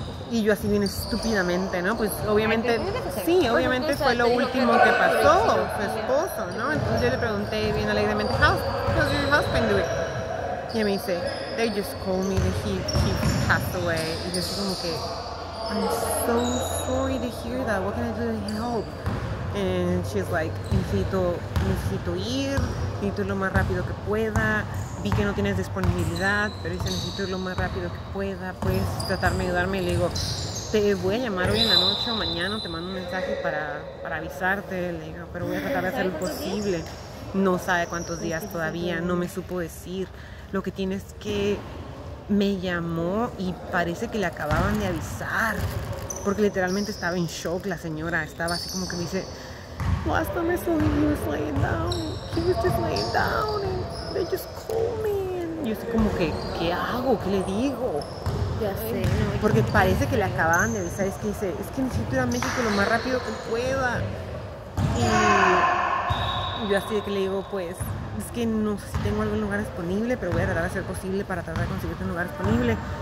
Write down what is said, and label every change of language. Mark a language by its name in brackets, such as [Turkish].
[Spanish] Y yo así bien estúpidamente, ¿no? Pues obviamente, sí, obviamente fue lo último que pasó, su esposo, ¿no? Entonces yo le pregunté bien alegremente, [English] how's your husband doing? [Spanish] Y me dice, [English] they just called me that he passed away. [Spanish] Y yo así como que, [English] I'm so sorry to hear that, what can I do to help? And she's like, [Spanish] necesito ir, necesito ir lo más rápido que pueda. Vi que no tienes disponibilidad, pero dice, necesito ir lo más rápido que pueda. Puedes tratarme de ayudarme. Y le digo, te voy a llamar hoy en la noche o mañana, te mando un mensaje para avisarte. Le digo, pero voy a tratar de hacer lo posible. No sabe cuántos días todavía, no me supo decir. Lo que tiene es que me llamó y parece que le acababan de avisar. Porque literalmente estaba en shock la señora. Estaba así como que me dice, [English] last time I saw him, he was laying down. He was just laying down and they just called me. [Spanish] Y yo estoy como que, ¿qué hago? ¿Qué le digo? Ya sé. Porque parece que le acababan de avisar. Es que dice, es que necesito ir a México lo más rápido que pueda. Y yo así de que le digo, pues, es que no sé si tengo algún lugar disponible, pero voy a tratar de hacer posible para tratar de conseguirte un lugar disponible.